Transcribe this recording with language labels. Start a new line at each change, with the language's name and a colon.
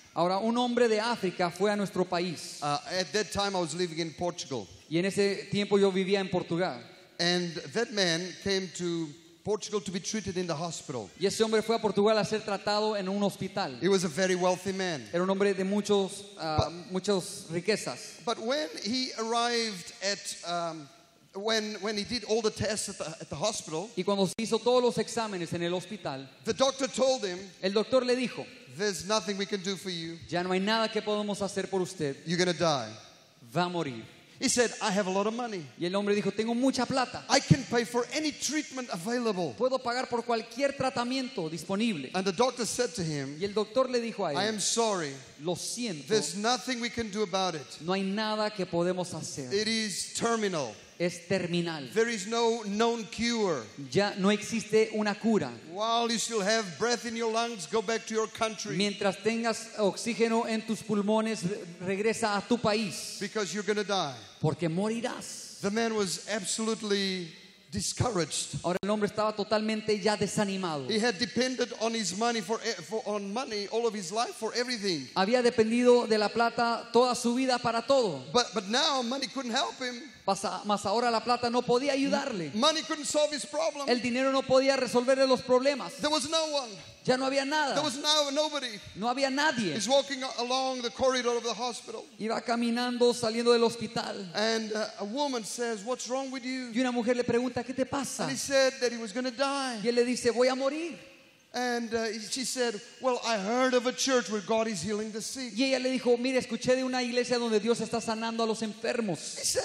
Spanish: Ahora un hombre de África fue a nuestro país.
English: At that time I was living in Portugal.
Spanish: Y en ese tiempo yo vivía en Portugal.
English: And that man came to Portugal to be treated in the hospital.
Spanish: Y ese hombre fue a Portugal a ser tratado en un hospital.
English: He was a very wealthy man.
Spanish: Era un hombre de muchos muchas riquezas.
English: But when he arrived at when he did all the tests at the hospital,
Spanish: y cuando se hizo todos los exámenes en el hospital,
English: the doctor told him,
Spanish: el doctor le dijo,
English: "There's nothing we can do for you.
Spanish: Ya no hay nada que podemos hacer por usted.
English: You're going to die.
Spanish: Va a morir."
English: He said, "I have a lot of money."
Spanish: Y el hombre dijo, "Tengo mucha plata."
English: "I can pay for any treatment available."
Spanish: Puedo pagar por cualquier tratamiento disponible.
English: And the doctor said to him,
Spanish: y el doctor le dijo a él,
English: "I am sorry.
Spanish: Lo siento.
English: There's nothing we can do about it.
Spanish: No hay nada que podemos hacer.
English: It is terminal.
Spanish: Es terminal.
English: There is no known cure.
Spanish: Ya no existe una cura.
English: While you still have breath in your lungs, go back to your country.
Spanish: Mientras tengas oxígeno en tus pulmones, regresa a tu país.
English: Because you're going to die.
Spanish: Porque morirás.
English: The man was absolutely discouraged.
Spanish: Ahora el hombre estaba totalmente ya desanimado.
English: He had depended on his money on money all of his life for everything.
Spanish: Había dependido de la plata toda su vida para todo.
English: But now money couldn't help him.
Spanish: Mas ahora la plata no podía ayudarle.
English: Money couldn't solve his problem.
Spanish: El dinero no podía resolverle los problemas.
English: There was no one.
Spanish: Ya no había nada.
English: There was nobody.
Spanish: No había nadie.
English: He's walking along the corridor of the hospital.
Spanish: Iba caminando saliendo del hospital.
English: And a woman says, "What's wrong with you?"
Spanish: Y una mujer le pregunta, "¿Qué te pasa?"
English: And he said that he was going to die.
Spanish: Y él le dice, "Voy a morir."
English: And she said, "Well, I heard of a church where God is healing the sick."
Spanish: Y ella le dijo, "Mira, escuché de una iglesia donde Dios está sanando a los enfermos."